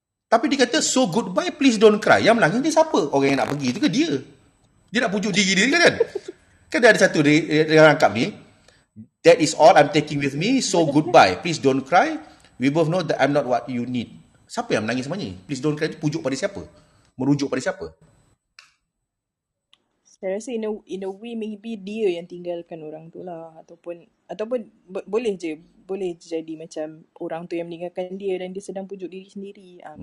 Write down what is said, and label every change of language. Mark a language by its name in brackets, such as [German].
[Malay] Tapi dia kata, [English] so goodbye, please don't cry. [Malay] Yang menangis dia siapa? Orang yang nak pergi tu ke dia? Dia nak pujuk diri dia kan? Kan dia ada satu dia rangkap ni. [English] That is all I'm taking with me, so goodbye. Please don't cry. We both know that I'm not what you need. [Malay] Siapa yang menangis semuanya? [English] Please don't cry [Malay] tu pujuk pada siapa? Merujuk pada siapa? Saya rasa [English] in a way maybe [Malay] dia yang tinggalkan orang tu lah. Ataupun boleh je. Boleh jadi macam orang tu yang meninggalkan dia dan dia sedang pujuk diri sendiri.